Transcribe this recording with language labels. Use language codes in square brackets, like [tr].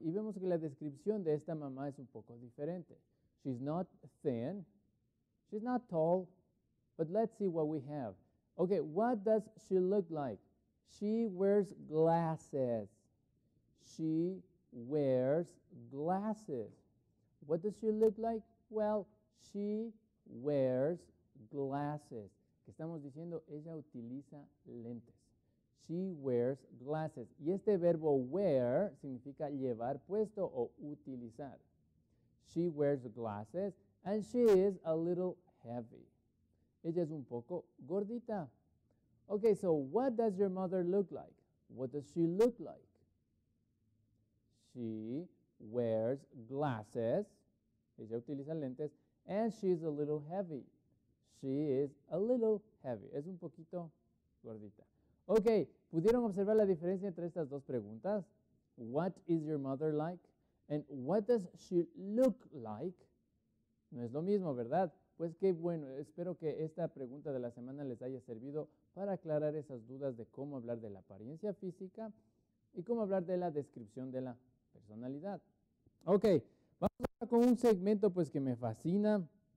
[es] Y vemos que la descripción de esta mamá es un poco diferente. [en] She's not thin, she's not tall, but let's see what we have. Okay, what does she look like? She wears glasses. She wears glasses. What does she look like? Well, she wears glasses. [es] ¿Qué estamos diciendo? Ella utiliza lentes. [en] She wears glasses. [es] Y este verbo wear significa llevar puesto o utilizar. [en] She wears glasses and she is a little heavy. [es] Ella es un poco gordita. [en] Okay, so what does your mother look like? What does she look like? She wears glasses. [es] Ella utiliza lentes. [en] And she's a little heavy. She is a little heavy. [es] Es un poquito gordita. Okay, ¿pudieron observar la diferencia entre estas dos preguntas? [en] What is your mother like? And what does she look like? [es] No es lo mismo, ¿verdad? Pues qué bueno, espero que esta pregunta de la semana les haya servido para aclarar esas dudas de cómo hablar de la apariencia física y cómo hablar de la descripción de la personalidad. Ok, vamos ahora con un segmento pues que me fascina.